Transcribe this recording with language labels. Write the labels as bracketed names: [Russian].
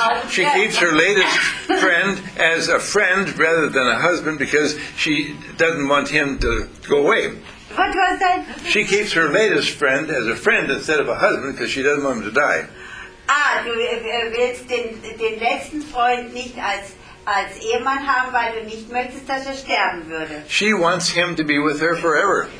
[English] She keeps her latest friend as a friend rather than a husband because she doesn't want him to go away. What was that? She keeps her latest friend as a friend instead of a husband because she doesn't want him to die. [German] Ah, du willst den letzten Freund nicht als Ehemann haben, weil du nicht möchtest, dass er sterben würde. [English] She wants him to be with her forever.